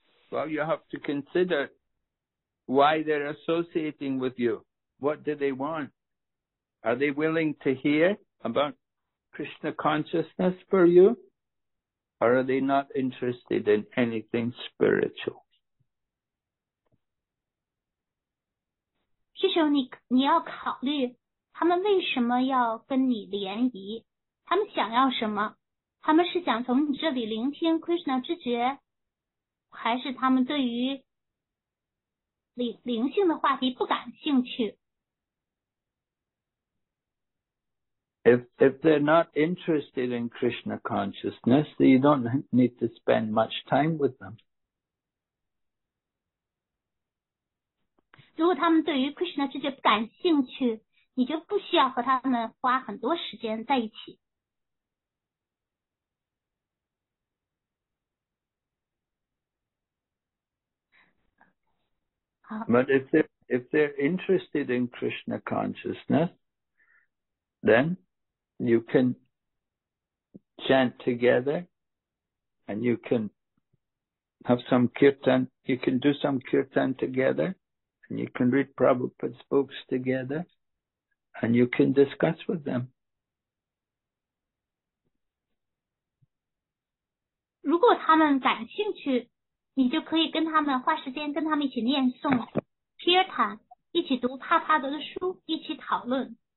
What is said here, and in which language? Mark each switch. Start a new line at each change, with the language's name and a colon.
English: Well, you have to consider why they're associating with you. What do they want? Are they willing to hear about Krishna consciousness for you? Or are they not interested in anything spiritual?
Chinese: 这时候你要考虑他们为什么要跟你联谊，他们想要什么，他们是想从你这里聆听 Krishna 知觉，还是他们对于灵性的话题不感兴趣。
English: if they're not interested in Krishna consciousness, then you don't need to spend much time with them.
Chinese: 如果他们对于 Krishna 知觉不感兴趣，你就不需要和他们花很多时间在一起。好。
English: But if they're interested in Krishna consciousness, then you can chant together, and you can have some kirtan. You can do some kirtan together. And you can read Prabhupada's books together, and you can discuss with them.
Chinese: 如果他们感兴趣，你就可以跟他们花时间，跟他们一起念诵、kirtan， 一起读帕帕德的书，一起讨论。